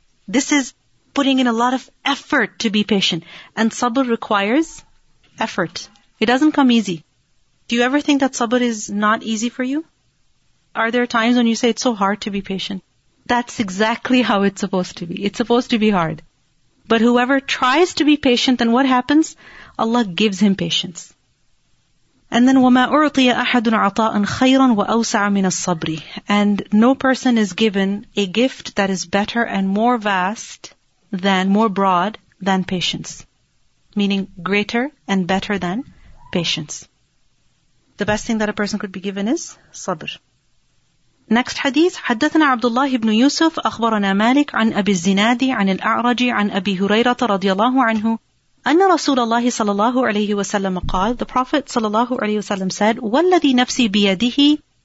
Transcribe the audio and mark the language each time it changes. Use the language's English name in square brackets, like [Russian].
[English] This is putting in a lot of effort to be patient. And sabr requires effort. It doesn't come easy. Do you ever think that sabr is not easy for you? Are there times when you say it's so hard to be patient? That's exactly how it's supposed to be. It's supposed to be hard. But whoever tries to be patient, then what happens? Allah gives him patience. And then, [Arabic] وَمَا أُعْطِيَ أَحَدٌ عَطَاءً خَيْرًا وَأَوْسَعَ مِنَ الصَّبْرِ. [English] And no person is given a gift that is better and more vast than, more broad than patience. Meaning, greater and better than patience. The best thing that a person could be given is sabr. Next hadith, [Arabic] حَدَّثَنَا عَبْدُ اللَّهِ بْنُ يُوسُفَ أَخْبَرَنَا مَالِكَ عَنْ أَبِي الزِّنَادِ عَنِ الْأَعْرَجِ عَنْ أَبِي هُرَيْرَةَ رَضِيَ اللَّهُ عَنْهُ أن رسول الله صلى الله عليه وسلم قال, [English] the Prophet صلى الله عليه وسلم said, [Arabic] والذي نفسي بيده,